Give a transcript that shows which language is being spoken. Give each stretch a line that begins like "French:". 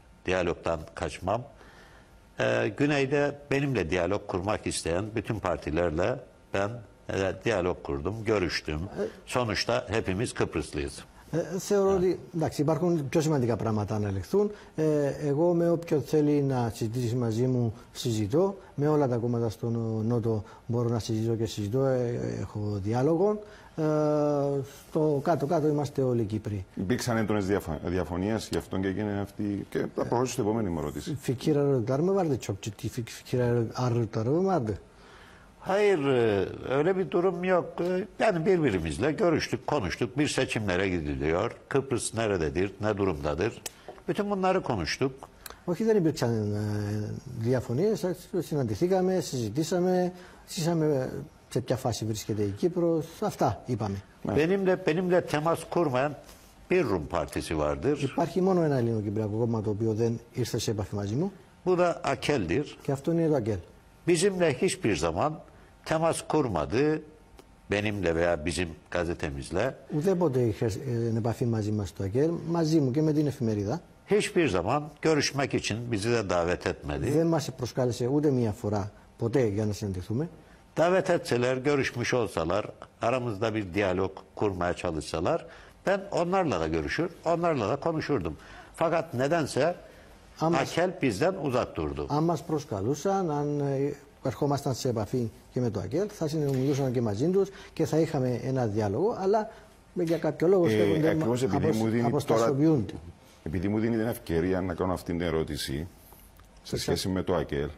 Turkish: Diyalogdan kaçmam. Güneyde benimle diyalog kurmak isteyen bütün partilerle ben diyalog kurdum, görüştüm. Sonuçta hepimiz Kıbrıslıyız.
Greek: Θεωρώ ότι εντάξει, υπάρχουν πιο σημαντικά πράγματα να ελεγχθούν. Εγώ με όποιον θέλει να συζητήσει μαζί μου συζητώ. Με όλα τα κόμματα στον Νότο μπορώ να συζητώ και συζητώ. Έχω διάλογο. Στο κάτω-κάτω είμαστε όλοι Κύπροι. Υπήρξαν έντονες διαφωνίες γι' αυτό και έγινε αυτή. Και θα προχωρήσω στην επόμενη μου ερώτηση.
Turkish: Φικίρα ρωτάρμα βάρτε τσόπτσι. Τι φικίρα ρωτάρμα Hayır, öyle bir durum yok. Yani birbirimizle görüştük, konuştuk. Bir seçimlere gidiliyor. Kıbrıs nerededir, ne durumdadır? Bütün bunları konuştuk.
Greek: Όχι, δεν υπήρξαν διαφωνίες. Συναντηθήκαμε, συζητήσαμε, σήσαμε σε ποια φάση βρίσκεται η Κύπρος. Αυτά είπαμε.
Turkish: Benimle temas kurmayan bir Rum partisi vardır.
Greek: Υπάρχει μόνο ένα Ελληνοκυπριακό κόμμα το οποίο δεν ήρθε σε επαφή μαζί μου.
Turkish: Bu da AKEL'dir.
Greek: Και αυτό είναι το AKEL.
Turkish: Bizimle hiçbir zaman temas kurmadı, benimle veya bizim gazetemizle.
Greek: Ούτε επαφή μαζί μας το AKEL, μαζί μου και με την εφημερίδα.
Turkish: Hiçbir zaman görüşmek için bizi de davet etmedi.
Greek: Δεν μας προσκάλεσε ούτε μία φορά ποτέ για να συναντηθούμε.
Turkish: Davet etseler, görüşmüş olsalar, aramızda bir diyalog kurmaya çalışsalar, ben onlarla da görüşür, onlarla da konuşurdum. Fakat nedense AKEL bizden uzak durdu.
Greek: Αν μας προσκαλούσαν, αν ερχόμασταν σε επαφή και με το ΑΚΕΛ, θα συνομιλούσαν και μαζί τους και θα είχαμε ένα διάλογο, αλλά για κάποιο λόγο αποστασιοποιούνται. Επειδή μου δίνει την ευκαιρία να κάνω αυτή την ερώτηση σε σχέση με το ΑΚΕΛ.